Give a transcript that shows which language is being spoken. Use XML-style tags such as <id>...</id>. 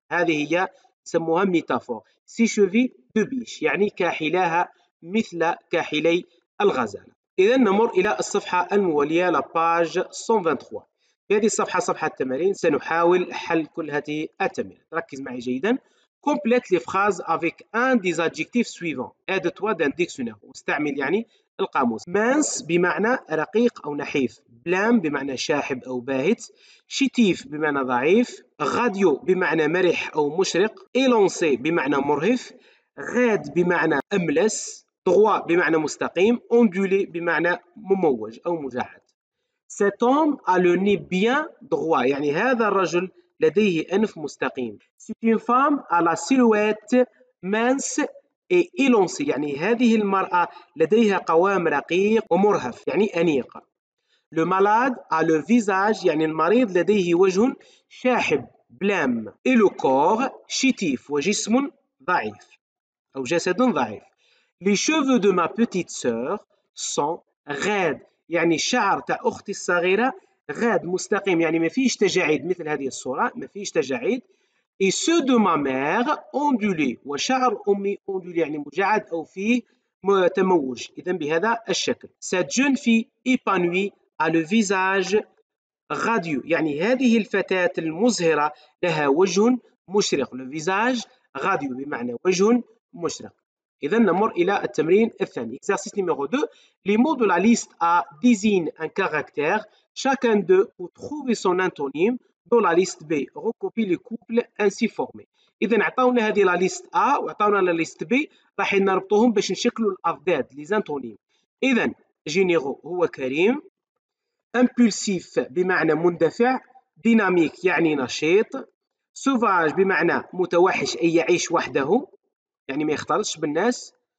<ar>هذه هي سموها ميتافور،</ar> <fr>سي شوفي دو بيش،</fr> <ar>يعني كاحلاها مثل كاحلي الغزالة. إذا نمر إلى الصفحة الموالية لاباج 123. في هذه الصفحة صفحة التمارين سنحاول حل كل هذه التمارين. ركز معي جيدا.</ar> <fr>Complete les phrases avec un des adjectifs suivants. Aide-toi d'un dictionnaire.</fr> <ar>واستعمل يعني القاموس. Mince بمعنى رقيق أو نحيف. Blême بمعنى شاحب أو باهت. Chétif بمعنى ضعيف. Radio بمعنى مرح أو مشرق. Élancé بمعنى مرهف. Raide بمعنى أملس. Droit بمعنى مستقيم. Ondulé بمعنى مموج أو مجعد.</ar> <fr>Cet homme a le nez bien droit.</fr> <ar>يعني هذا الرجل لديه أنف مستقيم.</ar> <fr>C'est une femme à la silhouette mince et élancée.</fr> <ar>يعني هذه المرأة لديها قوام رقيق ومرهف يعني أنيق.</ar> <fr>Le malade a le visage.</fr> <ar>يعني المريض لديه وجه شاحب بلام.</ar> <fr>Et le corps chétif.</fr> <ar>وجسم ضعيف أو جسد ضعيف.</ar> <fr>Les cheveux de ma petite sœur sont raides.</fr> <ar>يعني شعر تاع أختي الصغيرة غاد مستقيم يعني ما فيش تجاعيد مثل هذه الصورة ما فيش تجاعيد.</ar> <fr>Et ceux de ma mère ondulés.</fr> <ar>وشعر أمي ondulé يعني مجعد أو فيه تموج. إذا بهذا الشكل.</ar> <fr>Cette jeune fille épanouie a le visage radieux.</fr> <ar>يعني هذه الفتاة المزهرة لها وجه مشرق.</ar> <fr>Le visage radieux</fr> <ar>بمعنى وجه مشرق. إذا نمر إلى التمرين الثاني.</ar> <fr>Exercice numéro 2. Les mots de la liste A désignent un caractère. Chacun d'eux peut trouver son antonyme dans la liste B. Recopie les couples ainsi formés.</fr> <ar>إذا عطاونا هذه</ar> <fr>la liste A</fr> <ar>وعطاونا</ar> <fr>la liste B.</fr> <ar>راح نربطهم باش نشكلوا الأضداد les antonymes. إذا généreux هو كريم. Impulsif بمعنى مندفع. ديناميك يعني نشيط. Sauvage بمعنى متوحش أي يعيش وحده. يعني ما يختلطش بالناس.</ar>